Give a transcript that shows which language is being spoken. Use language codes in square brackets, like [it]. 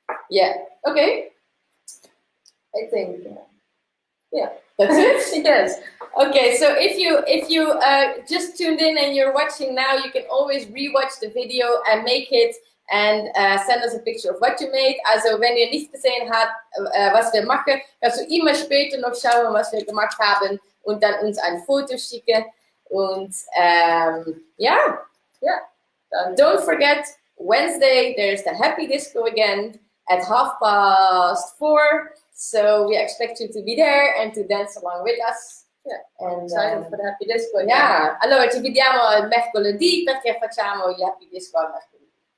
[en] Yeah, okay. I think, yeah. That's it? Yes. Okay, so if you just tuned in and you're watching now, you can always re-watch the video and make it and send us a picture of what you made. [de] Also, wenn ihr nicht gesehen habt, was wir machen, kannst du immer später noch schauen, was wir gemacht haben und dann uns ein Foto schicken. Und ja, Ja, dann. [en] don't forget, Wednesday there's the happy disco again at 4:30. So we expect you to be there and to dance along with us. I'm And excited for the happy disco again. [it] yeah, allora ci vediamo il mercoledì perché facciamo gli happy disco al mercoledì.